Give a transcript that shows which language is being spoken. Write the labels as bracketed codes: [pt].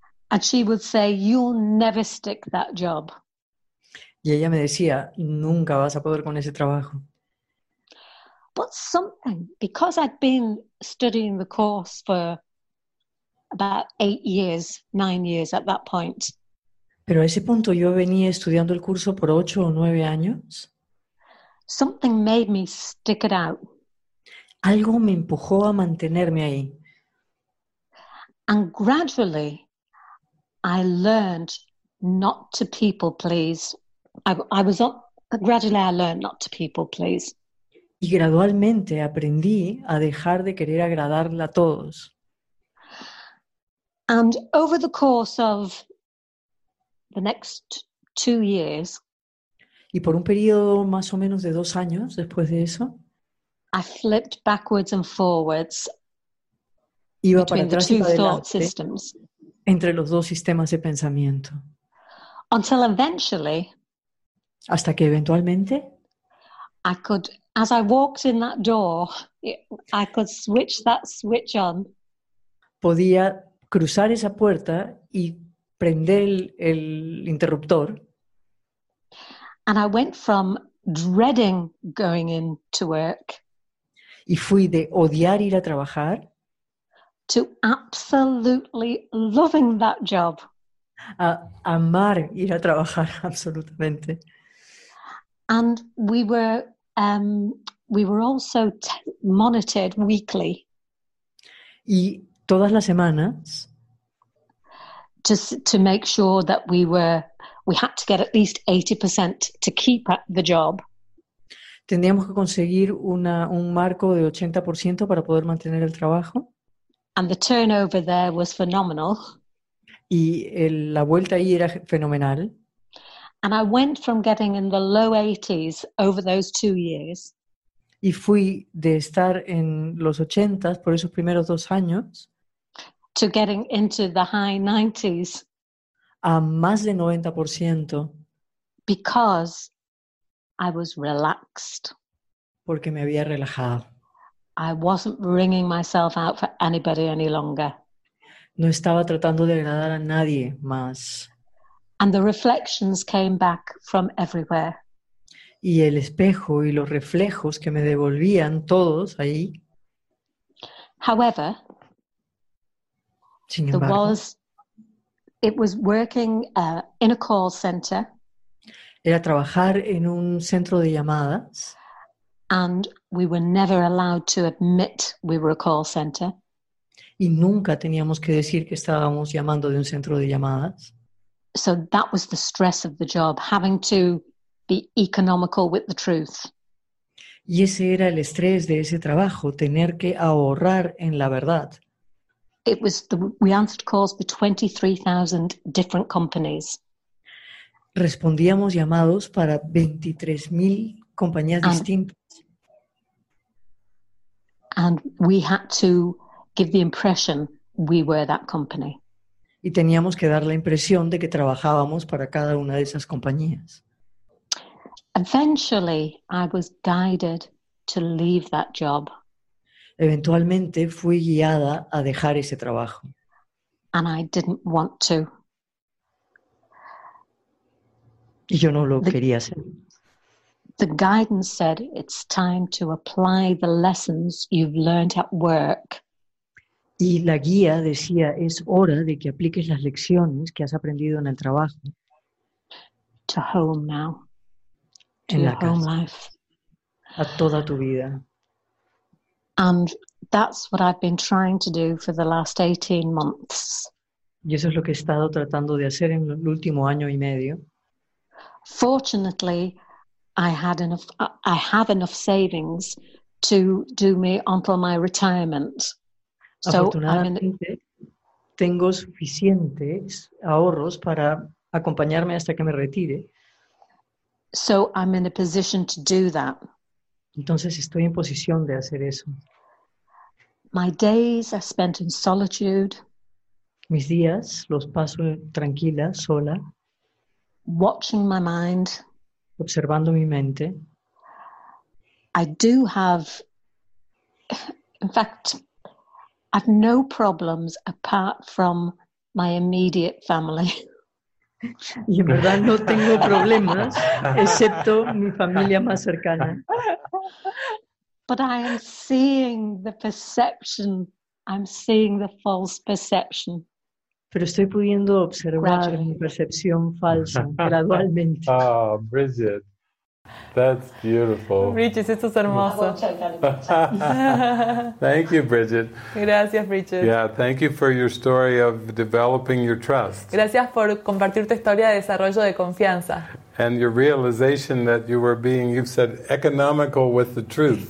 [en] And she would say, "You'll never stick that job." [es] Y ella me decía, "Nunca vas a poder con ese trabajo." [en] But something, because I'd been studying the course for about 8 years, 9 years at that point. [es] Pero a ese punto yo venía estudiando el curso por 8 o 9 años. [en] Something made me stick it out. [es] Algo me empujó a mantenerme ahí. [en] And gradually, I learned not to people please. Gradually I learned not to people please. [es] Y gradualmente aprendí a dejar de querer agradarle a todos. [en] And over the course of the next 2 years, [es] y por un periodo más o menos de 2 años después de eso, [en] I flipped backwards and forwards [es] iba [en] between [es] para atrás [en] the two [es] y para [en] thought [es] adelante, [en] systems. [es] Entre los dos sistemas de pensamiento. [en] Until eventually, [es] hasta que eventualmente, [en] I could, as I walked in that door, I could switch that switch on. [es] Podía cruzar esa puerta y prender el interruptor. [en] And I went from dreading going in to work. [es] Y fui de odiar ir a trabajar. [en] To absolutely loving that job. [es] A amar ir a trabajar, absolutamente. [en] And we were also monitored weekly. [es] Y todas las semanas. [en] Just to make sure that we had to get at least 80% to keep the job. [es] Teníamos que conseguir un marco de 80% para poder mantener el trabajo. [en] And the turnover there was phenomenal. [es] Y la vuelta ahí era fenomenal. [en] And I went from getting in the low 80s over those 2 years. [es] Y fui de estar en los 80s por esos primeros 2 años. [en] To getting into the high 90s. [es] A más de 90%. [en] Because I was relaxed. [es] Porque me había relajado. [en] I wasn't wringing myself out for anybody any longer. [es] No estaba tratando de agradar a nadie más. [en] And the reflections came back from everywhere. [es] Y el espejo y los reflejos que me devolvían todos ahí. [en] However, [es] sin embargo, [en] it was working in a call center. [es] Era trabajar en un centro de llamadas. [en] And we were never allowed to admit we were a call center. [es] Y nunca teníamos que decir que estábamos llamando de un centro de llamadas. [en] So that was the stress of the job, having to be economical with the truth. [es] Y ese era el estrés de ese trabajo, tener que ahorrar en la verdad. [en] It was we answered calls for 23,000 different companies. [es] Respondíamos llamados para 23,000 compañías distintas. [en] And we had to give the impression we were that company. [es] Y teníamos que dar la impresión de que trabajábamos para cada una de esas compañías. [en] Eventually, I was guided to leave that job. [es] Eventualmente fui guiada a dejar ese trabajo. [en] And I didn't want to. [es] Y yo no lo quería hacer. [en] The guidance said it's time to apply the lessons you've learned at work. [es] Y la guía decía es hora de que apliques las lecciones que has aprendido en el trabajo. [en] To home now. To [es] en la [en] your [es] casa. [en] Home life. [es] A toda tu vida. [en] And that's what I've been trying to do for the last 18 months. [es] Y eso es lo que he estado tratando de hacer en el último año y medio. [en] Fortunately, I have enough savings to do me until my retirement. [es] Tengo suficientes ahorros para acompañarme hasta que me retire. [en] So I'm in a position to do that. [es] Entonces estoy en posición de hacer eso. [en] My days are spent in solitude. [es] Mis días los paso tranquila, sola. [en] Watching my mind. [es] Observando mi mente. [en] I do have, in fact, I've no problems apart from my immediate family. [es] Y en verdad no tengo problemas, excepto mi familia más cercana. [en] But I am seeing the perception, I'm seeing the false perception. [es] Pero estoy pudiendo observar mi percepción falsa gradualmente. [en] Oh, Bridget, that's beautiful. [es] Bridget, esto es hermoso. [en] Thank you, Bridget. [es] Gracias, Bridget. [en] Yeah, thank you for your story of developing your trust. [es] Gracias por compartir tu historia de desarrollo de confianza. [en] And your realization that you were being, you've said, economical with the truth.